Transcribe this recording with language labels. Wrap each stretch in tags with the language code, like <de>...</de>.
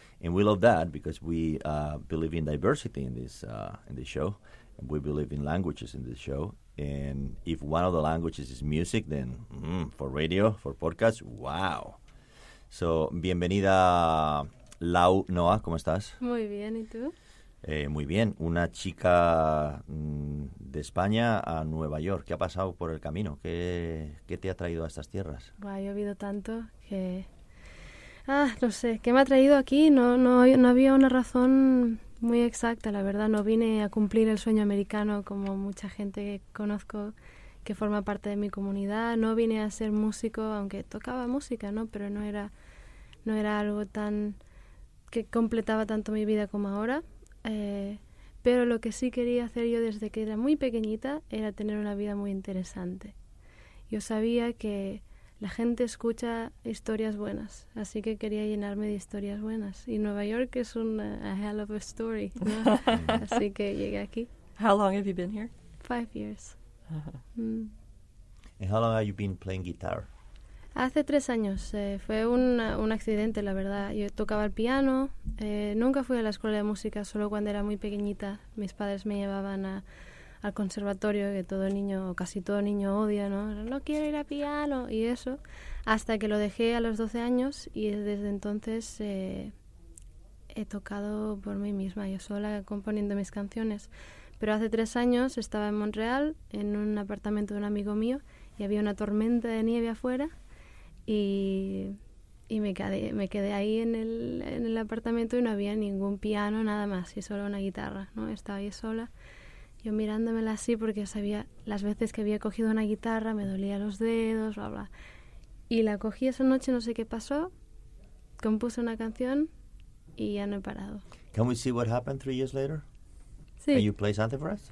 <en>And we love that because we believe in diversity in this show. And we believe in languages in this show. And if one of the languages is music, then for radio, for podcasts, wow.</en> <es>So, bienvenida, Lau Noah, ¿cómo estás? Muy bien, ¿y tú? Muy bien. Una chica de España a Nueva York. ¿Qué ha pasado por el camino? ¿Qué te ha traído a estas tierras? Wow, he llovido tanto que... Ah, no sé, ¿qué me ha traído aquí? No había una razón muy exacta, la verdad. No vine a cumplir el sueño americano como mucha gente que conozco que forma parte de mi comunidad. No vine a ser músico, aunque tocaba música, ¿no? Pero no era algo tan que completaba tanto mi vida como ahora. Pero lo que sí quería hacer yo desde que era muy pequeñita era tener una vida muy interesante. Yo sabía que la gente escucha historias buenas, así que quería llenarme de historias buenas. Y Nueva York es</es> <en>a hell of a story,</en> <es>¿no? Así que llegué aquí.</es> <en>How long have you been here? 5 years. And how long have you been playing guitar?</en> <es>Hace 3 años. Fue un accidente, la verdad. Yo tocaba el piano. Nunca fui a la escuela de música, solo cuando era muy pequeñita. Mis padres me llevaban al conservatorio, que todo niño, o casi todo niño odia, ¿no? No quiero ir a piano, y eso. Hasta que lo dejé a los 12 años, y desde entonces he tocado por mí misma, yo sola, componiendo mis canciones. Pero hace 3 años estaba en Montreal, en un apartamento de un amigo mío, y había una tormenta de nieve afuera, y me quedé ahí en el apartamento y no había ningún piano, nada más, y solo una guitarra, ¿no? Estaba ahí sola. Yo mirándomela así porque sabía las veces que había cogido una guitarra, me dolía los dedos, bla, bla. Y la cogí esa noche, no sé qué pasó, compuse una canción y ya no he parado.</es> <en>Can we see what happened 3 years later?</en> <es>Sí.</es> <en>Can you play something for us?</en>